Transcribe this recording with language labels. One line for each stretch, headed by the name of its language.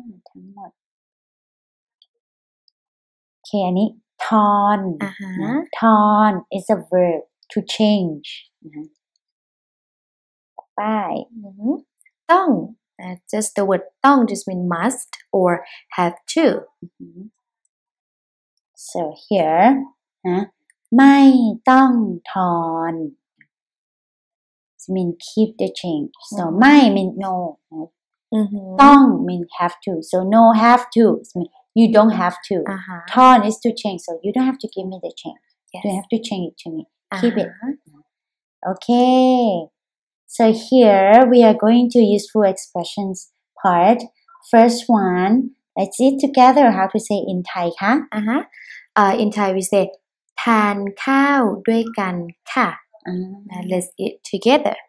Thai: ทั้งหมดโอเคอันนี้
English: torn torn is a verb to change
Thai: ต่อไป
English: ต้อง just the word ต้อง just mean must or have to so here ไม่ต้องทอน mean keep the change so ไม่ mean no ต้อง mean have to so no have to mean you don't have to ทอน is to change so you don't have to give me the change you don't have to change it to me keep it okay so here we are going to useful expressions part first one let's see together how to say in Thai ค่ะ in Thai we say
Thai: ทานข้าวด้วยกันค่ะ
English: let's eat together